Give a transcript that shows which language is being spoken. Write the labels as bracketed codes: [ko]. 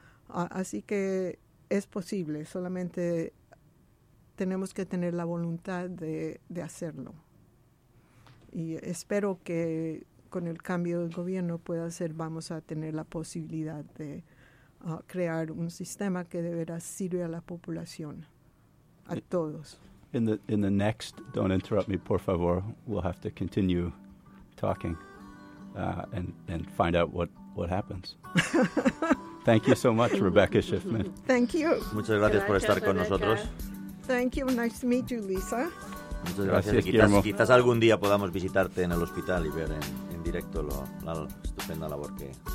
[es] Así que es posible, solamente tenemos que tener la voluntad de hacerlo. Y espero que con el cambio del gobierno pueda ser, vamos a tener la posibilidad de crear un sistema que de veras sirve a la población, a todos. [en] In the next, don't interrupt me, por favor, we'll have to continue talking and find out what happens. Thank you so much, Rebecca Schiffman. Thank you. [es] Muchas gracias por estar con nosotros. [en] Thank you. Nice to meet you, Lisa. [es] Muchas gracias. Quizás algún día podamos visitarte en el hospital y ver en directo la estupenda labor que haces.